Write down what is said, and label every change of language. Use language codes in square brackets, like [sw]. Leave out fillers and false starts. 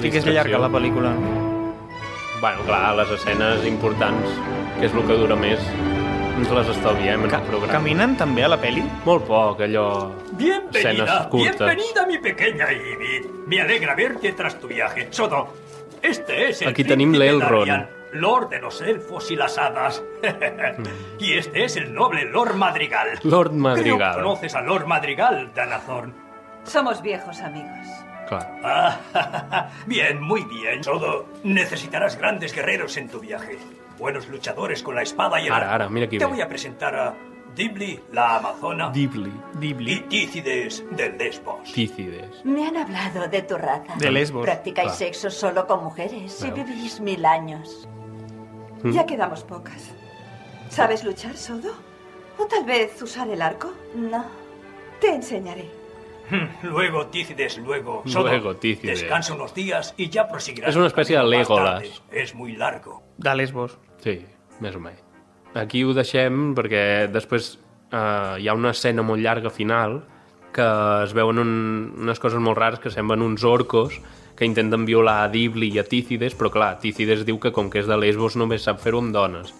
[ca] Sí que és llarga la pel·lícula. Bueno, clar, les escenes importants, que és el que dura més, ens les estalviem en el programa. Caminen també a la pel·li? Molt poc, allò... [es] Bienvenida, mi pequeña Ibit. Me alegra verte tras tu viaje, Sodo. Este es el [ca] Aquí tenim l'Elrond. [es] Lord de los elfos y las hadas. Y este es el noble Lord Madrigal. Lord Madrigal. Creo que conoces a Lord Madrigal, Danazorn. Somos viejos amigos. Claro. Bien, muy bien, Sodo. Necesitarás grandes guerreros en tu viaje. Buenos luchadores con la espada y el... [ca] Ara, mira aquí. [es] Te voy a presentar a... Dibli, la Amazona. Dibli. Y Tícides, del Lesbos. Tícides. Me han hablado de tu raza. De Lesbos. Practicáis sexo solo con mujeres y vivís mil años. Ya quedamos pocas. ¿Sabes luchar, Sodo? ¿O tal vez usar el arco? No. Te enseñaré. Luego, Tícides, luego. Sodo. Luego, Tícides. Descansa unos días y ya proseguirás. Es una especie de Legolas. Es muy largo. De Lesbos. [ca] Sí, més o menys. Aquí ho deixem perquè després hi ha una escena molt llarga final que es veuen unes coses molt rares que semblen uns orcos que intenten violar a Dibli i a Tícides, però clar, Tícides diu que com que és de Lesbos només sap fer-ho amb dones.